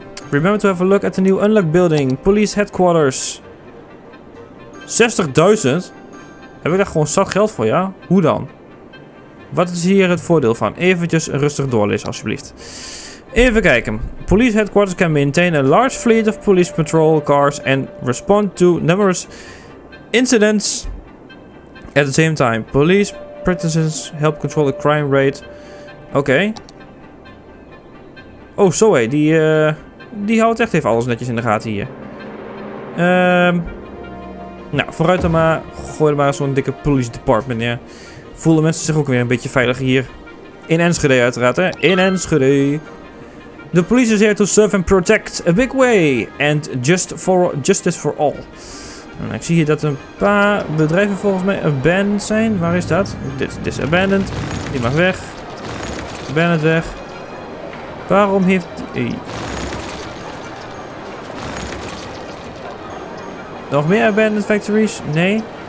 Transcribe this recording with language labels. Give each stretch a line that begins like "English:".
English: Remember to have a look at the new unlock building. Police headquarters. 60.000?
Dutch: Heb ik daar gewoon zat geld voor, ja? Hoe dan? Wat is hier het voordeel van? Eventjes rustig doorlezen, alsjeblieft. Even kijken.
English: Police headquarters can maintain a large fleet of police patrol cars and respond to numerous incidents at the same time. Police practices help control the crime rate.
Dutch: Oké. Okay. Oh, Zoe, die houdt echt even alles netjes in de gaten hier. Nou, vooruit dan maar. Gooi er maar zo'n dikke police department neer. Voelen mensen zich ook weer een beetje veiliger hier. In Enschede uiteraard, hè. In Enschede.
English: The police is here to serve and protect a big way. And just for justice for all.
Dutch: Nou, ik zie hier dat een paar bedrijven volgens mij abandoned zijn. Waar is dat? Dit is abandoned. Die mag weg. Abandoned weg. Waarom heeft... Nog meer abandoned factories? Nee.